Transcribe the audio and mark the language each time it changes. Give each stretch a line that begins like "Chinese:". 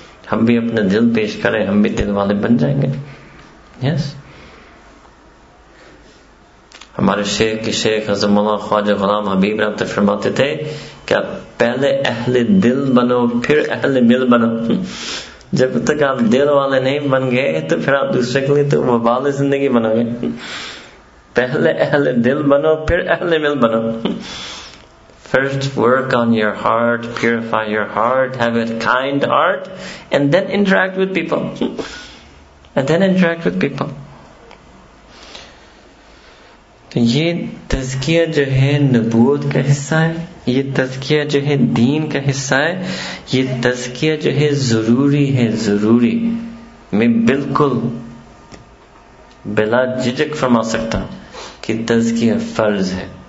Hindi: हम भी अपने दिल पेश करें, हम भी दिल वाले बन जाएंगे। यस, हमारे शेख के शेख हज़रत मौलाना ख्वाजा गुलाम हबीब रहमत फरमाते थे कि आप पहले अहले दिल बनो फिर अहले मिल बनो। जब तक आप दिल वाले नहीं बन गए तो फिर आप दूसरे के लिए तो वबाले जिंदगी बनोगे। पहले अहले दिल बनो फिर अहले मिल बनो।
English: First work on your heart, purify your heart, have a kind heart, and then interact with people. And then interact with people.
Hindi: तो ये तज़किया जो है नबूवत का हिस्सा है, ये तज़किया जो है दीन का हिस्सा है, ये तज़किया जो है जरूरी है, जरूरी। मैं बिल्कुल बिला झिझक फरमा सकता हूं कि तज़किया फर्ज है।